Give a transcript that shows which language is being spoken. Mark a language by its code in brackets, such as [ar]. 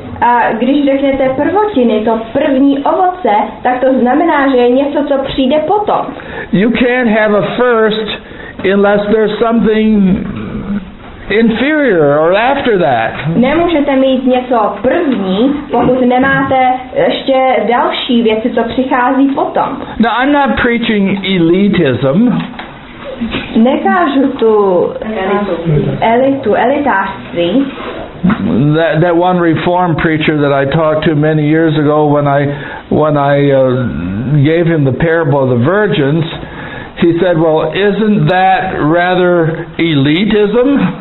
[cs] A když řeknete prvotiny, to první ovoce, tak to znamená, že je něco, co přijde potom. [en] You can't have a first unless there's something inferior or after that. [cs] Nemůžete mít něco první, pokud nemáte ještě další věci, co přichází potom. [en] Now, I'm not preaching elitism. [cs] nekážu tu elitu, elitářství. [en] That one reform preacher that I talked to many years ago when I gave him the parable of the virgins, he said, well, isn't that rather elitism?